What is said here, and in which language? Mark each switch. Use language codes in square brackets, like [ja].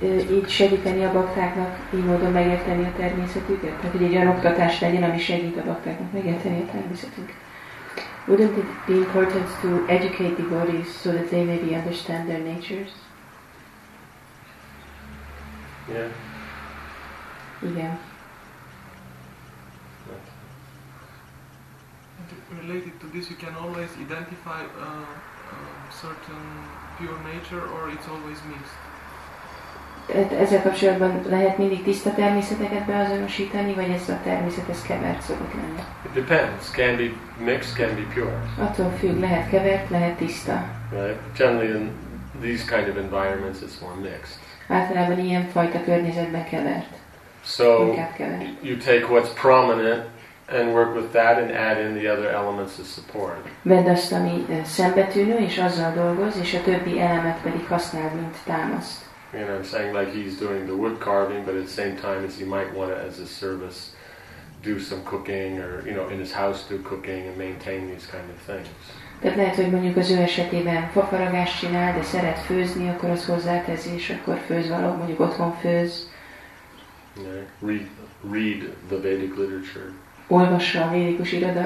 [hu] így segíteni a baktáknak, így módon megérteni a természetüket? Tehát, hogy egy olyan oktatás legyen, ami segít a baktáknak megérteni a természetüket. [en] Wouldn't it be important to educate the bodies so that they maybe understand their natures? Yeah. [hu] Igen. [en] Related to this, you can always identify a certain pure nature, or it's always mixed. [hu] Ezzel kapcsolatban lehet mindig tiszta természeteket beazonosítani, vagy ez a természethez kevert szokott lenni? [en] It depends. Can be mixed, can be pure. [hu] Attól függ, lehet kevert, lehet tiszta. [en] Right. Generally in these kind of environments it's more mixed. [hu] Általában ilyen fajta környezetben kevert. [en] So you take what's prominent and work with that and add in the other elements of support. [hu] Vedd azt, ami szembetűnő, és azzal dolgoz, és a többi elemet pedig használ, mint támaszt. [en] You know, I'm saying like he's doing the wood carving, but at the same time as he might want to, as a service, do some cooking or, you know, in his house do cooking and maintain these kind of things. [hu] Tehát lehet, hogy mondjuk az ő esetében fafaragást csinál, de szeret főzni, akkor az hozzátezi, és akkor főz való, mondjuk otthon főz. [en] Yeah. Read the Vedic literature. [hu] Olvassa a védikus irodalmat.